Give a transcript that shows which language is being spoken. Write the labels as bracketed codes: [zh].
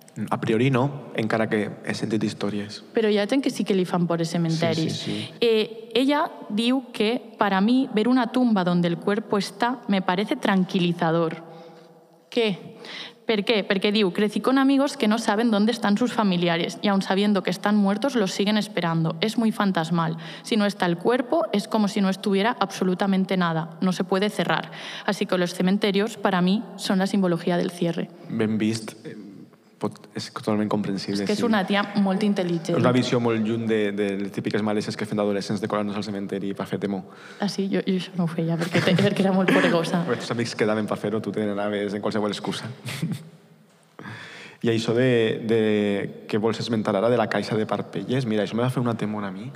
[ca] A priori no, encara que he sentit històries. Però hi ha gent que sí que li fan por els cementeris. Sí, sí, sí. Ella diu que, per a mi, [es] ver una tumba donde el cuerpo está me parece tranquilizador. Què? ¿Por qué? Porque digo, crecí con amigos que no saben dónde están sus familiares y aun sabiendo que están muertos, los siguen esperando. Es muy fantasmal. Si no está el cuerpo, es como si no estuviera absolutamente nada. No se puede cerrar. Así que los cementerios, para mí, son la simbología del cierre. [ca] Ben vist. És totalment comprensible. És que és una tia molt intel·ligent. Una visió molt lluny de les típiques maleses que fem d'adolescents de colar-nos al cementeri per fer temor. Ah, sí? Jo això no ho feia perquè era molt poregosa. Però els amics quedaven per fer-ho, tu tenen anaves en qualsevol excusa. I això de que vols esmentar ara de la caixa de parpelles, mira, això me va fer una temor a mi.